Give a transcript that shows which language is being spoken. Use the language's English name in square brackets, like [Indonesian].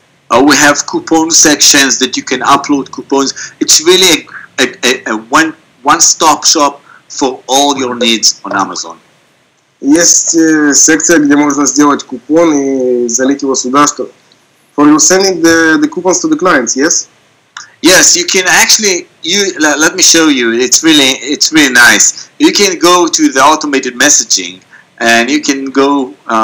[English] We have coupon sections that you can upload coupons. It's really a one-stop shop for all your needs on Amazon. [Russian] Есть секция, где можно сделать купон и залить его сюда, что [English] for you sending the coupons to the clients, yes? Yes, you can actually. Let me show you. It's really nice. You can go to the automated messaging, and you can go.